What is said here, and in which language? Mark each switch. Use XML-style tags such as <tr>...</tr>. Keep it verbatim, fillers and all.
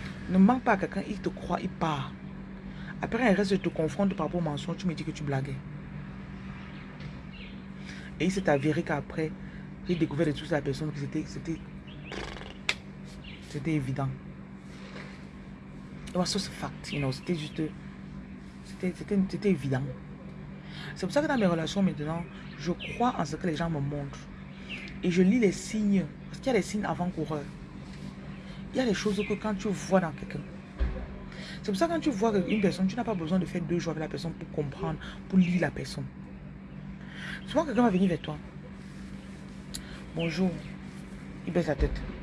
<fr>Ne manque pas à quelqu'un, il te croit, il part. Après, il reste, je te confronte par rapport au mensonge, tu me dis que tu blaguais. Et il s'est avéré qu'après, j'ai découvert de tout ça la personne que c'était. c'était... C'était évident.</fr> <en>It was just a fact, you know,</en> <fr>c'était juste... C'était c'était- c'était évident. C'est pour ça que dans mes relations maintenant, je crois en ce que les gens me montrent. Et je lis les signes. Parce qu'il y a des signes avant-coureurs. Il y a des choses que quand tu vois dans quelqu'un. C'est pour ça que quand tu vois une personne, tu n'as pas besoin de faire deux jours avec la personne pour comprendre, pour lire la personne. Souvent, quelqu'un va venir vers toi. Bonjour. Il baisse la tête.</fr>